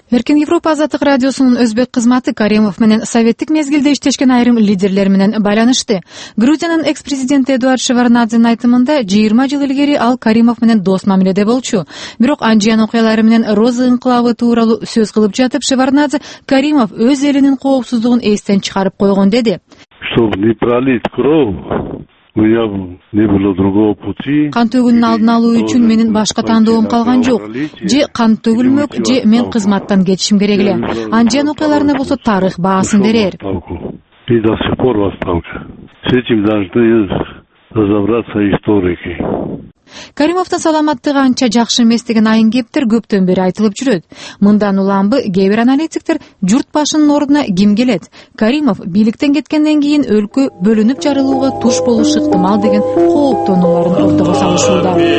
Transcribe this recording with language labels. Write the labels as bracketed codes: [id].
[ky] Эркин Европа Азаттык радиосунун өзбек кызматы Каримов менен советтик мезгилде иштешкен айрым лидерлер менен байланышты. Грузиянын экс-президенти Эдуард Шеварнадзенин айтымында 20 жыл илгери ал Каримов менен дос мамиледе болчу. Бирок Анжиян окуялары менен Роза инкылабы тууралуу сөз кылып жатып, Шеварнадзе Каримов өз элинин коопсуздугун эстен чыгарып койгон деди. [ru] Чтобы не пролить кровь, у меня не было другого пути. [ky] Кан төгүүнүн алдын алуу үчүн менин башка тандоом калган жок. Же кан төгүлмөк, же мен кызматтан кетишим керек эле. Анжиян окуяларына болсо тарых баасын берер. [ru] И до сих пор в отставке. С этим должны разобраться историки. [ky] Каримовдун саламаттыгы анча жакшы эмес деген айын кептер көптөн бери айтылып жүрөт. Мындан уламбы кээ бир аналитиктер журт башынын ордуна ким келет? Каримов бийликтен кеткенден кийин өлкө бөлүнүп жарылууга туш болушу ыктымал деген кооптонууларын ортого салышууда.